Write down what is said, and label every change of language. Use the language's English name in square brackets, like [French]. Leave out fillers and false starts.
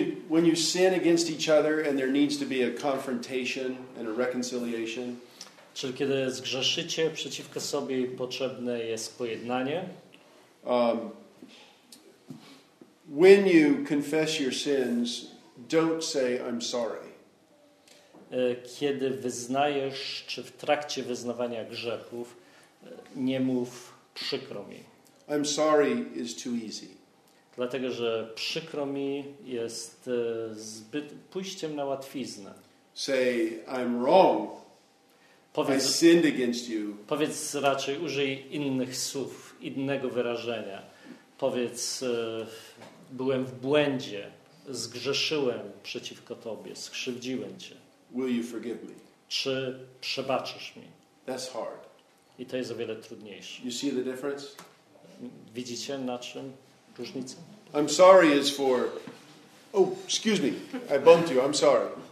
[English] When you sin against each other and there needs to be a confrontation and a reconciliation. [Polish] Czyli kiedy zgrzeszycie przeciwko sobie, potrzebne jest pojednanie. [English] When you confess your sins, don't say I'm sorry. [Polish] Kiedy wyznajesz, czy w trakcie wyznawania grzechów, nie mów przykro mi. [English] I'm sorry is too easy. [Polish] Dlatego, że przykro mi jest zbyt pójściem na łatwiznę. [English] Say I'm wrong. [Polish] Powiedz, [English] I sinned against you. [Polish] Powiedz raczej, użyj innych słów, innego wyrażenia. Powiedz, byłem w błędzie, zgrzeszyłem przeciwko tobie, skrzywdziłem cię. [English] Will you forgive me? [Polish] Czy przebaczysz mi? [English] That's hard. [Polish] I to jest o wiele trudniejsze. [English] You see the difference? [Polish] Widzicie, na czym różnica? [English] I'm sorry is for... Oh, excuse me, I bumped you, I'm sorry.